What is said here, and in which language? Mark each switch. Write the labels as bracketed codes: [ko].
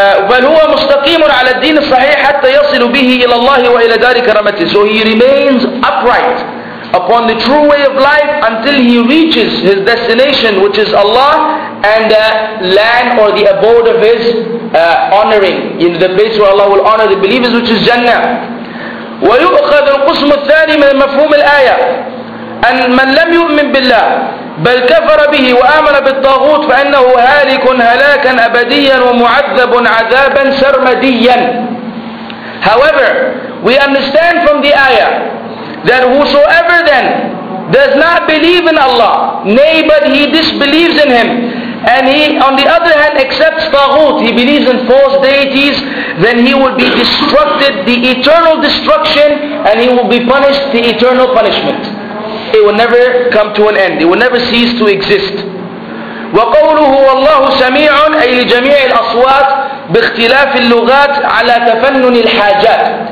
[ar] بل هو مستقيم على الدين الصحيح حتى يصل به إلى الله وإلى دار كرامته. [en] So he remains upright upon the true way of life until he reaches his destination, which is Allah, and the land or the abode of his honoring, in the place where Allah will honor the believers, which is Jannah. [ar] ويؤخذ القسم الثاني من مفهوم الآية أن من لم يؤمن بالله بل كفر به وآمن بالطاغوت فإنه هالك هلاكا أبديا ومعذب عذابا سرمديا. [en] However, we understand from the ayah that whosoever then does not believe in Allah, nay, but he disbelieves in Him, and he on the other hand accepts طاغوت, he believes in false deities, then he will be destructed, the eternal destruction, and he will be punished the eternal punishment. It will never come to an end. It will never cease to exist. [ar] وقوله والله سميع أي لجميع الأصوات باختلاف اللغات على تفنن الحاجات.